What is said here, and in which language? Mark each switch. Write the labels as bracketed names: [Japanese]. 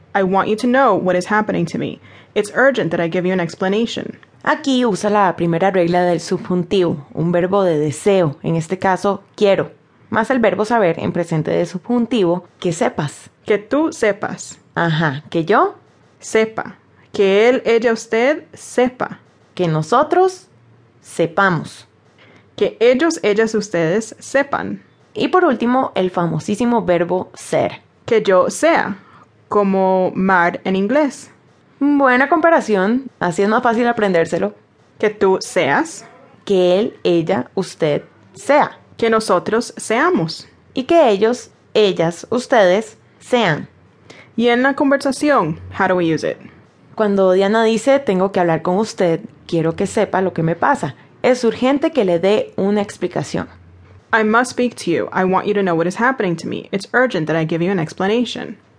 [English] I want you to know what is happening to me. It's urgent that I give you an explanation. [Spanish] Aquí usa la primera regla del subjuntivo, un verbo de deseo, en este caso, quiero, más el verbo saber en presente de subjuntivo, que sepas. Que tú sepas. Ajá, que yo sepa. Que él, ella, usted sepa. Que nosotros sepamos. Que ellos, ellas, ustedes sepan. Y por último, el famosísimo verbo ser. Que yo sea, como mar en inglés. Buena comparación, así es más fácil aprendérselo. Que tú seas. Que él, ella, usted sea. Que nosotros seamos. Y que ellos, ellas, ustedes sean. Y en la conversación, [English] how do we use it? [Spanish] Cuando Diana dice, tengo que hablar con usted, quiero que sepa lo que me pasa. Es urgente que le dé una explicación. [English] I must speak to you. I want you to know what is happening to me. It's urgent that I give you an explanation.